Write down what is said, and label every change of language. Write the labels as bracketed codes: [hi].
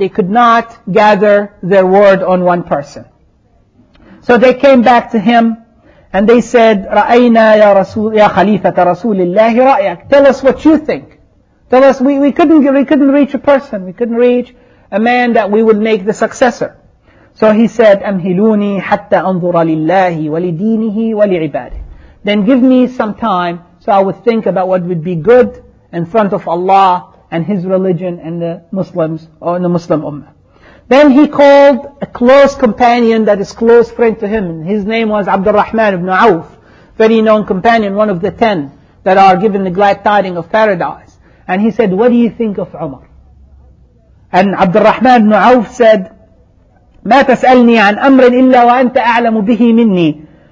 [en] They could not gather their word on one person. So they came back to him and they said, [ar] رَأَيْنَا يَا رَسُولِ يَا خَلِيفَةَ رَسُولِ اللَّهِ رَأْيَكَ. [en] Tell us what you think. Tell us, we couldn't reach a person. We couldn't reach a man that we would make the successor. So he said, [ar] أَمْهِلُونِي حَتَّى أَنْظُرَ لِلَّهِ وَلِدِينِهِ وَلِعِبَادِهِ. [en] Then give me some time so I would think about what would be good in front of Allah and His religion and the Muslims or the Muslim Ummah. Then he called a close companion that is close friend to him. His name was Abdurrahman ibn Auf, very known companion, one of the 10 that are given the glad tiding of paradise. And he said, what do you think of Umar? And Abdurrahman ibn Auf said, [ar] مَا تَسْأَلْنِي عَنْ أَمْرٍ إِلَّا وَأَنْتَ أَعْلَمُ بِهِ مِنِّي.